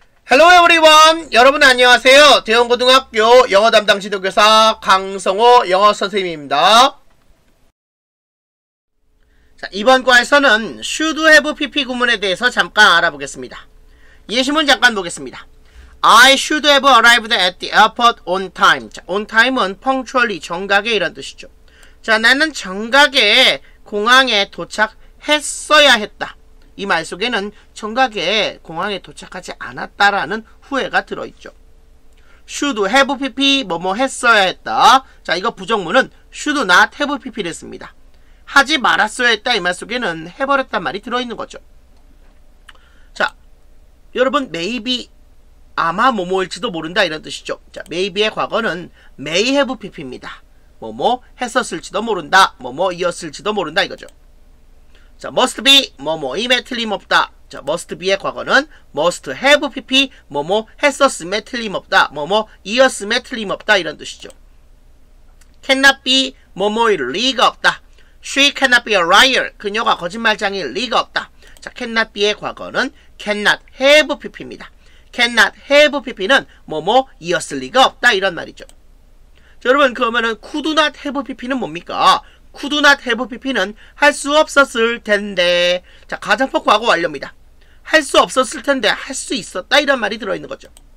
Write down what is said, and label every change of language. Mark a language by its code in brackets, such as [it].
[en] Hello everyone! [ko] 여러분 안녕하세요. 대형고등학교 영어 담당 지도교사 강성호 영어 선생님입니다. 자, 이번 과에서는 should have PP 구문에 대해서 잠깐 알아보겠습니다. 예시문 잠깐 보겠습니다. [en] I should have arrived at the airport on time. [ko] 자, on time은 punctually, 정각에 이런 뜻이죠. 자, 나는 정각에 공항에 도착했어야 했다. 이 말 속에는 정각에 공항에 도착하지 않았다라는 후회가 들어있죠. Should have PP, 뭐뭐 했어야 했다. 자, 이거 부정문은 should not have PP를 씁니다. 하지 말았어야 했다. 이 말 속에는 해버렸단 말이 들어있는 거죠. 여러분 maybe 아마 뭐뭐일지도 모른다 이런 뜻이죠. 자, maybe의 과거는 may have pp입니다. 뭐뭐 했었을지도 모른다. 뭐뭐이었을지도 모른다 이거죠. 자, must be 뭐뭐임에 틀림없다. 자, must be의 과거는 must have pp 뭐뭐 했었음에 틀림없다. 뭐뭐이었음에 틀림없다 이런 뜻이죠. cannot be 뭐뭐일 리가 없다. [en] she cannot be a liar. [ko] 그녀가 거짓말장일 리가 없다. 자, cannot be의 과거는 cannot have pp입니다. cannot have pp는 뭐뭐 이었을 리가 없다 이런 말이죠. 자, 여러분 그러면은 could not have pp는 뭡니까? could not have pp는 할 수 없었을 텐데. 자, 가정법 과거 완료입니다. 할 수 없었을 텐데 할 수 있었다 이런 말이 들어있는 거죠.